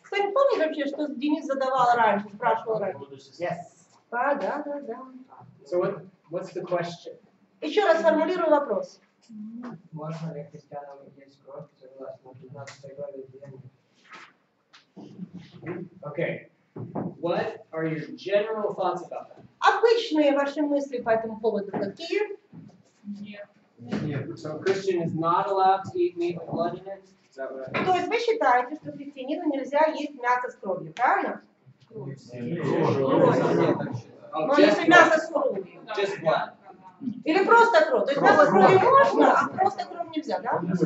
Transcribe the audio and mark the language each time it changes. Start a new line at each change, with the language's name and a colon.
Russian: Кстати, помнишь вообще, что Денис задавал раньше, спрашивал раньше?
English: Yes.
Russian: Да.
English: So what's the question?
Russian: Еще раз формулирую вопрос. Можно ли христианам есть кровь, согласно 15 главе Деяния?
English: Okay. What are your general thoughts about that?
Russian: Обычные ваши мысли по этому поводу какие? Нет.
English: So a Christian is not allowed to eat meat with blood in it? Is that what I mean?
Russian: То есть вы считаете, что христианину нельзя есть мясо с кровью, правильно? Или просто кровь. То есть мясо с кровью можно, а просто кровь нельзя, да?